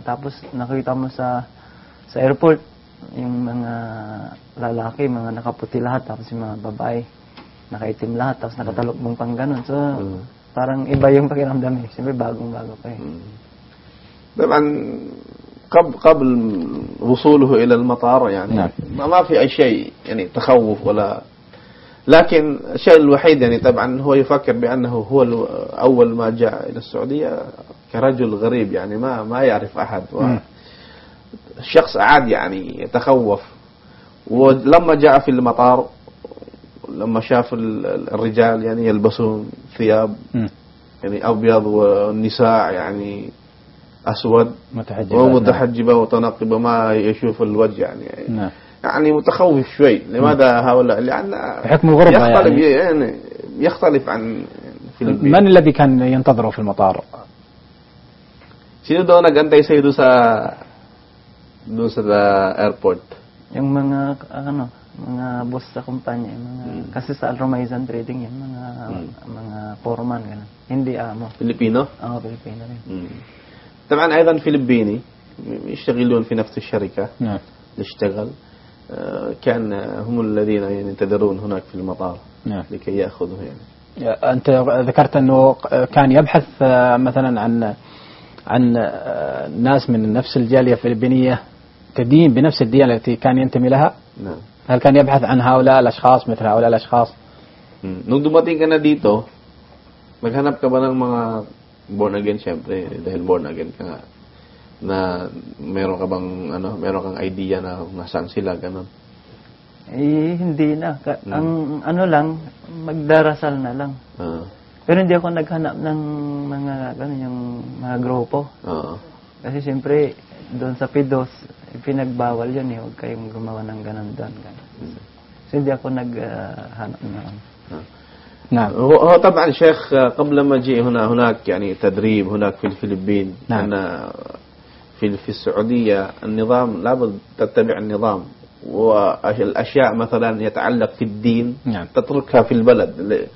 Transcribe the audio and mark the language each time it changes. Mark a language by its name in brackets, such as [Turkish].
[Filipino] Tapos nakita mo sa airport yung mga lalaki, mga nakaputi lahat, tapos yung mga babae nakaitim lahat, tapos nakatalukbong pang ganun. So parang iba yung pakiramdam eh. Siyempre bagong-bago pa eh. Diba'n [Arabic] قبل وصوله إلى المطار يعني ما في أي شيء يعني تخوف ولا، لكن الشيء الوحيد يعني طبعا هو يفكر بأنه هو أول ما جاء إلى السعودية كرجل غريب يعني ما يعرف أحد، وشخص عاد يعني يتخوف. ولما جاء في المطار لما شاف الرجال يعني يلبسون ثياب يعني أبيض، والنساء يعني أسود ومتحجبة وتنقبة ما يشوف الوجه يعني يعني متخوف شوي. لماذا هؤلاء؟ لأن حكم الغربة يختلف يعني يختلف عن فيلبين. من الذي كان ينتظره في المطار؟ [Filipino] Sino daw naghintay sa iyo sa airport? Yung mga ano, mga boss sa kumpanya, mga kasi sa Al-Romaizan Trading yung mga mga foreman ganun. Hindi amo. Pilipino? Oo, Pilipino rin. [Arabic] طبعا ايضا فلبيني يشتغلون في نفس الشركه. نعم اشتغل، كان هم الذين ينتظرون هناك في المطار. نعم. لكي ياخذه يعني. انت ذكرت انه كان يبحث مثلا عن ناس من نفس الجاليه الفلبينيه تدين بنفس الدين التي كان ينتمي لها. نعم. هل كان يبحث عن هؤلاء الاشخاص مثل هؤلاء الاشخاص؟ [Filipino] نودمتين كان ديتو مغانب كبان من born again syempre dahil born again ka nga, na meron ka bang ano, meron kang idea na nasaan sila ganun? Hindi na. Ang ano lang, magdarasal na lang. Pero hindi ako naghanap ng mga ganun yung mga grupo. Kasi syempre doon sa PIDOS pinagbawal yun eh, huwag kayong gumawa ng ganun doon. So hindi ako naghanap ng [Arabic] نعم. هو طبعا شيخ قبل ما جاء هنا هناك يعني تدريب هناك في الفلبين. نعم. أنا في السعودية النظام لابد تتبع النظام، والأشياء مثلا يتعلق في الدين. نعم. تتركها في البلد.